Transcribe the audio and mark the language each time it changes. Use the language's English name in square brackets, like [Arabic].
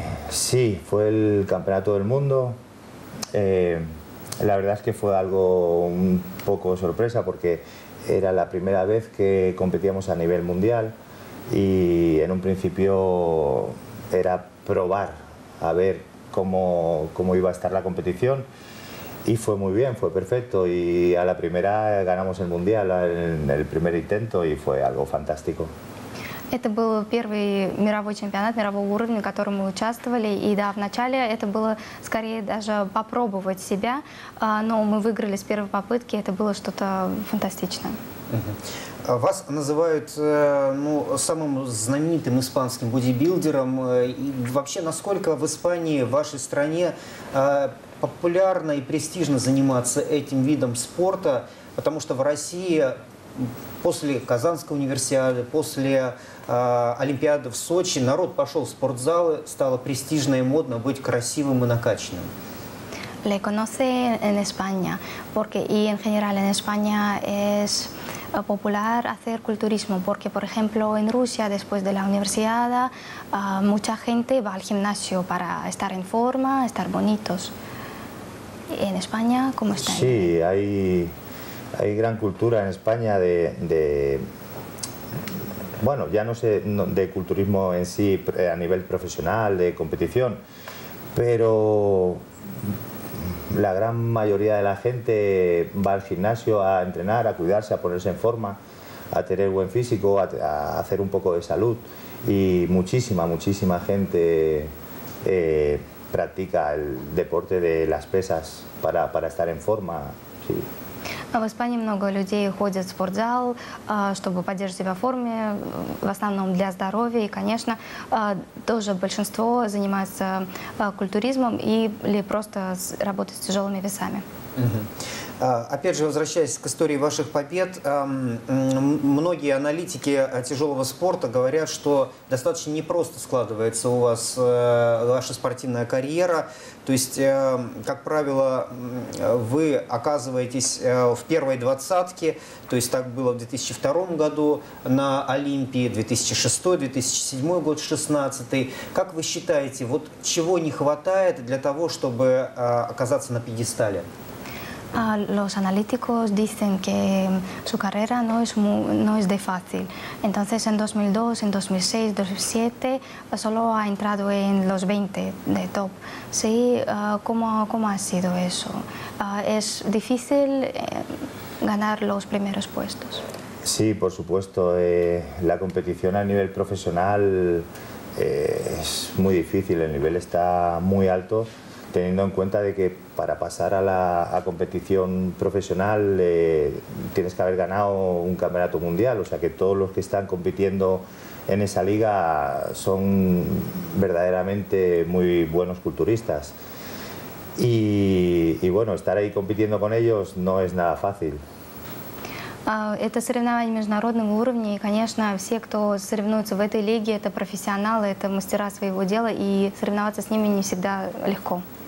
[Spanish] Sí, fue el campeonato del mundo. La verdad es que fue algo un poco sorpresa porque era la primera vez que competíamos a nivel mundial y en un principio era probar a ver cómo iba a estar la competición. Y fue muy bien, fue perfecto y a la primera ganamos el mundial en el primer intento y fue algo fantástico. [Russian] Это был первый мировой чемпионат мирового уровня, в котором мы участвовали. И да, вначале это было скорее даже попробовать себя, но мы выиграли с первой попытки, это было что-то фантастичное. Вас называют самым знаменитым испанским бодибилдером. И вообще, насколько в Испании, в вашей стране, популярно и престижно заниматься этим видом спорта, потому что в России после Казанской универсиады, после Олимпиады в Сочи народ пошел в спортзалы, стало престижно и модно быть красивым и накачанным. [Spanish] Le conoce en España, porque y en general en España es popular hacer culturismo, porque por ejemplo en Rusia después de la universidad mucha gente va al gimnasio para estar en forma, estar bonitos. ¿En España cómo está? Sí, hay gran cultura en España de culturismo en sí a nivel profesional, de competición, pero la gran mayoría de la gente va al gimnasio a entrenar, a cuidarse, a ponerse en forma, a tener buen físico, a hacer un poco de salud y muchísima gente practica el deporte de las pesas para estar en forma. Sí. [Russian] В Испании много людей ходят в спортзал, чтобы поддерживать себя в форме, в основном для здоровья. И, конечно, тоже большинство занимается культуризмом или просто работают с тяжелыми весами. Опять же, возвращаясь к истории ваших побед, многие аналитики тяжелого спорта говорят, что достаточно непросто складывается у вас ваша спортивная карьера. То есть, как правило, вы оказываетесь в первой двадцатке, то есть так было в 2002 году на Олимпии, 2006, 2007 год, 2016. Как вы считаете, вот чего не хватает для того, чтобы оказаться на пьедестале? [Spanish] Los analíticos dicen que su carrera no es de fácil. Entonces, en 2002, en 2006, 2007, solo ha entrado en los 20 de top. Sí, ¿cómo ha sido eso? ¿Es difícil ganar los primeros puestos? Sí, por supuesto. La competición a nivel profesional es muy difícil. El nivel está muy alto, teniendo en cuenta de que para pasar a competición profesional tienes que haber ganado un campeonato mundial. O sea que todos los que están compitiendo en esa liga son verdaderamente muy buenos culturistas. Y bueno, estar ahí compitiendo con ellos no es nada fácil. [Russian] Это соревнования международного уровня, и, конечно, все, кто соревнуется в этой лиге, это профессионалы, это мастера своего дела, и соревноваться с ними не всегда легко.